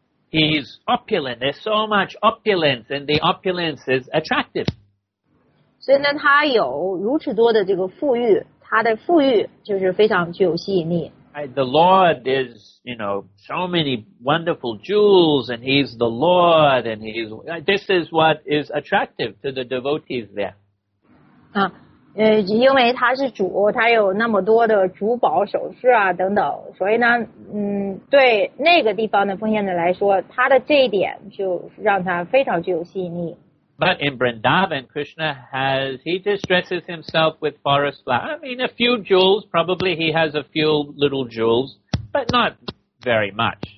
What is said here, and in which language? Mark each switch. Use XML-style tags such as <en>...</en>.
<en>He's opulent. There's so much opulence, and the opulence is attractive.</en> <zh>所以呢，他有如此多的这个富裕，他的富裕就是非常具有吸引力。</zh> <en>The Lord is, you know, so many wonderful jewels, and he's the Lord, and he's, this is what is attractive to the devotees there.</en> <zh>因为他是主，他有那么多的珠宝首饰啊等等，所以呢，对那个地方的奉献者来说，他的这一点就让他非常具有吸引力。</zh> <en>But in Vrindavan, Krishna he just dresses himself with forest flowers. I mean, a few jewels, probably he has a few little jewels, but not very much.</en>